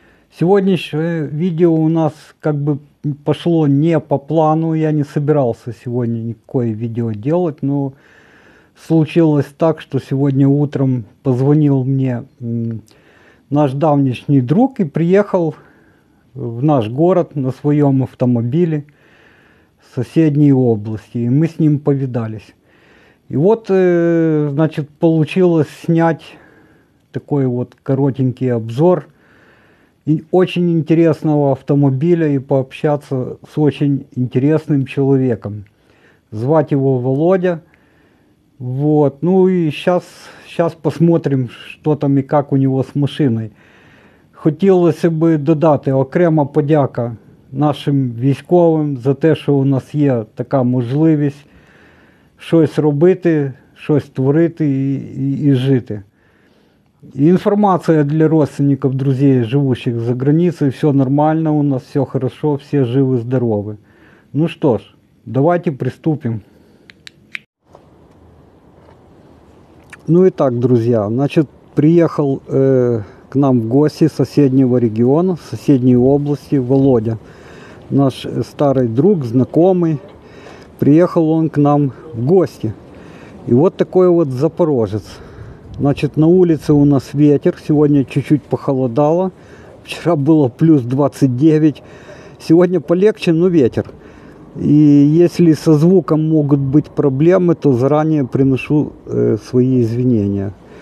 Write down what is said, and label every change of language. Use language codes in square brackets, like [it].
[uk] Сьогоднішнє відео у нас якби пішло не по плану, я не збирався сьогодні ніякого відео робити, але [ru] случилось так, [uk] що сьогодні утром позвонив мені наш давній друг і приїхав в наш город на своєму автомобілі з сусідньої області, і ми з ним повідались. [ru] И вот, значит, получилось снять такой вот коротенький обзор очень интересного автомобиля и пообщаться с очень интересным человеком. Звать его Володя. Вот, ну и сейчас посмотрим, что там и как у него с машиной. Хотелось бы [uk] додати окремо подяка нашим військовим за те, что у нас є така можливість щось робити, щось творити і жити. І інформація для родственників, друзів, живущих за границей. [ru] Все нормально у нас, все хорошо, [uk] всі живі-здорові. Ну що ж, давайте приступимо. Ну і так, друзі, значить, приїхав к нам в гості з сусіднього регіону, з сусідньої області, Володя. Наш старий друг, знайомий. [ru] Приехал он к нам в гости. И вот такой вот запорожец. Значит, на улице у нас ветер. Сегодня чуть-чуть похолодало. Вчера было плюс 29. Сегодня полегче, но ветер. И если со звуком могут быть проблемы, то заранее приношу свои извинения.